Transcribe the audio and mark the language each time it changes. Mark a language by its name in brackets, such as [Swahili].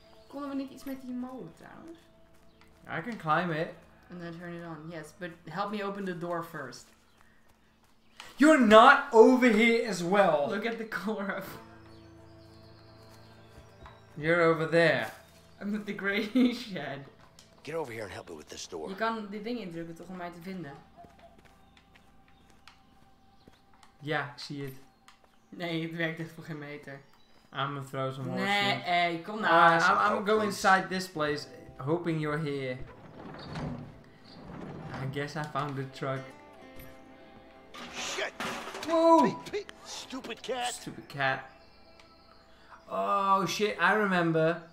[Dutch] Kunnen we niet iets met die molen trouwens? [English] I can climb it. And then turn it on. Yes, but help me open the door first. You're not over here as well. Look at the color of... You're over there. I'm at the gray shed. Get over here and help me with this door. [Dutch] Je kan die ding indrukken toch om mij te vinden. Ja, ik zie het. Nee, het werkt echt voor geen meter. [English] I'm a frozen horse. [Dutch] Nee, hey, kom nou. [English] I'm going inside this place, hoping you're here. I guess I found the truck. Shit! Whoa! Stupid cat! Stupid cat. Oh shit, I remember.